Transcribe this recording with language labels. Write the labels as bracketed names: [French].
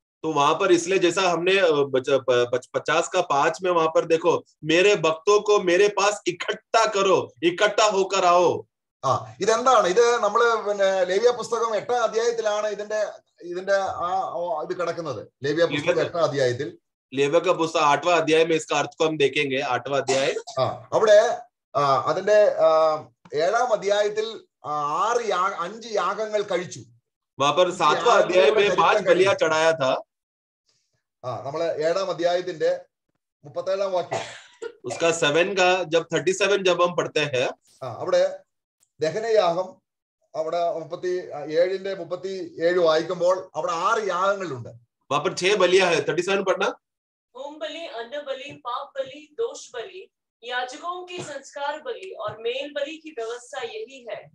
[Hindi] तो वहां पर इसलिए जैसा हमने 50:5 में वहां पर देखो, मेरे भक्तों को मेरे पास इकट्ठा करो, इकट्ठा होकर आओ. [Malayalam] ഇതെന്താണ് ഇത്? നമ്മൾ ലേവ്യ പുസ്തകം 8-ാം അധ്യായത്തിലാണ് ഇതിന്റെ ആ ഇത് കിടക്കുന്നത്. ലേവ്യ പുസ്തകം 8-ാം അധ്യായത്തിൽ ലേവ്യ പുസ്തകം 8-ാം അധ്യായം [Hindi] में इसका अर्थ को हम देखेंगे. [Malayalam] 8-ാം അധ്യായം അവിടെ അതിന്റെ 7-ാം അധ്യായത്തിൽ 5 യാഗങ്ങൾ കഴിച്ചു. [Hindi] वहां पर [Malayalam] 7-ാം അധ്യായം [Hindi] में 5 बलिया चढ़ाया था. [Malayalam] നമ്മളെ 7-ാം അധ്യായത്തിന്റെ 37-ാം വാക്യം [Hindi] उसका 7 का जब 37 जब हम पढ़ते हैं [Malayalam] അവിടെ ദഹനയാഗം അവിടെ 37:37 വായിക്കുമ്പോൾ അവിടെ 6 യാഗങ്ങളുണ്ട്. [Hindi] वहां पर 6 बलिया है. 37 पढ़ना. होम बलि, अन्न बलि, पाप बलि, दोष बलि, याजकों की संस्कार बलि और मेल बलि की व्यवस्था यही है.